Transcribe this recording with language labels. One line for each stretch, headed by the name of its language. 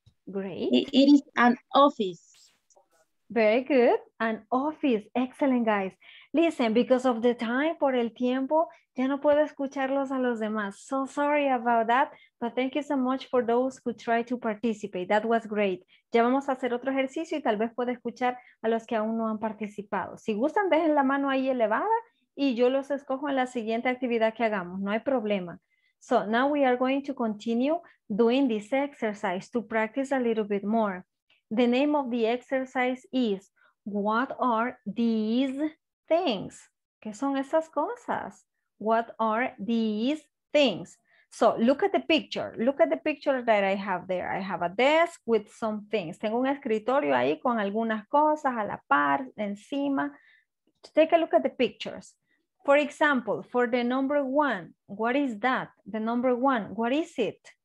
English: Great. It is an office. Very good. An office. Excellent, guys. Listen, because of the time,
Spanish: por el tiempo, ya no puedo escucharlos a los demás.
English: So sorry about that, but thank you so much for those who try to participate. That was great.
Spanish: Ya vamos a hacer otro ejercicio y tal vez pueda escuchar a los que aún no han participado. Si gustan, dejen la mano ahí elevada y yo los escojo en la siguiente actividad que hagamos. No hay problema.
English: So now we are going to continue doing this exercise to practice a little bit more. The name of the exercise is, what are these things?
Spanish: ¿Qué son esas cosas?
English: What are these things? So look at the picture. Look at the picture that I have there. I have a desk with some things.
Spanish: Tengo un escritorio ahí con algunas cosas a la par, encima.
English: Take a look at the pictures. For example, for the number one, what is that? The number one, what is it?